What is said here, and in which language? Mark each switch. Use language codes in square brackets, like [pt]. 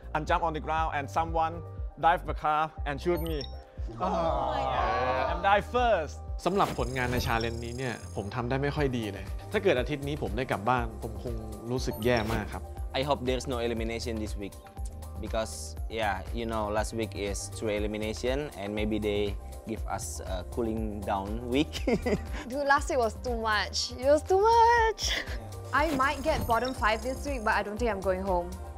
[en] I jump on the ground and someone dive the car and shoot me. Oh I'm die first. [th] สำหรับผลงานใน challenge นี้เนี่ยผมทำได้ไม่ค่อยดีเลยถ้าเกิดอาทิตย์นี้ผมได้กลับบ้านผมคงรู้สึกแย่มากครับ [en] I hope there's no elimination this week because yeah you know last week is true elimination and maybe they give us a cooling down week. Dude, last week was too much. It was too much. I might get bottom five this week, but I don't think I'm going home.